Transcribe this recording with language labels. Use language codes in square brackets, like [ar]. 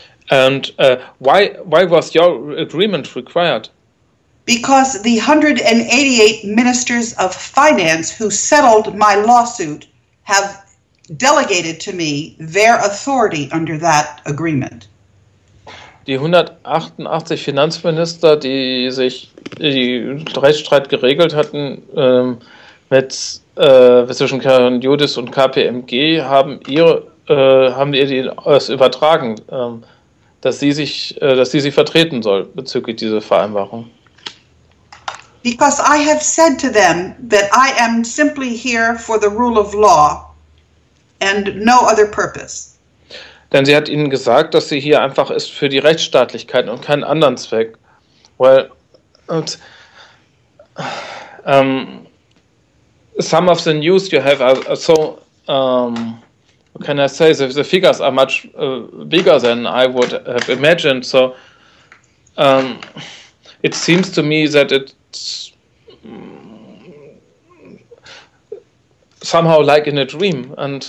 [en] And why was your agreement required? Because the 188 ministers of finance who settled my lawsuit have delegated to me their authority under that agreement. [de] Die 188 Finanzminister, die sich die Rechtsstreit geregelt hatten zwischen Karen Judis und KPMG, haben ihr das übertragen, dass sie vertreten soll bezüglich dieser Vereinbarung. [en] Because I have said to them that I am simply here for the rule of law and no other purpose. [de] Denn sie hat ihnen gesagt, dass sie hier einfach ist für die Rechtsstaatlichkeit und keinen anderen Zweck. [en] Well, und, some of the news you have are so, what can I say, the figures are much bigger than I would have imagined. So it seems to me that it's somehow like in a dream, and